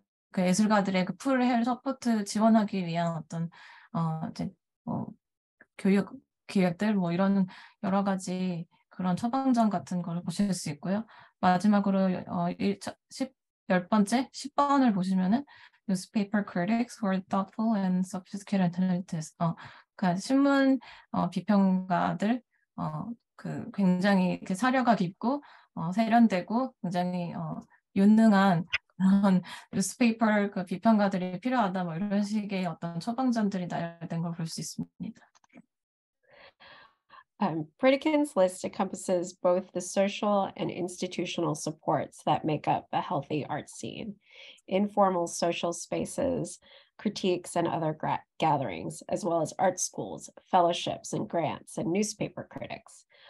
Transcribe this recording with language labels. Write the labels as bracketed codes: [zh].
[ko] 그 예술가들의 그 풀 서포트 지원하기 위한 어떤 교육 기획들 뭐 이런 여러 가지 그런 처방전 같은 걸 보실 수 있고요. 마지막으로 10번을 보시면은 [en] newspaper critics who are thoughtful and sophisticated analysts. [ko] 신문 비평가들 굉장히 그 사려가 깊고 세련되고 굉장히 유능한 그런 뉴스페이퍼 그 비평가들이 필요하다 뭐 이런 식의 어떤 처방전들이 나열된 걸 볼 수 있습니다. [en] Pritikin's list encompasses both the social and institutional supports that make up a healthy art scene, informal social spaces, critiques and other gatherings, as well as art schools, fellowships and grants, and newspaper critics.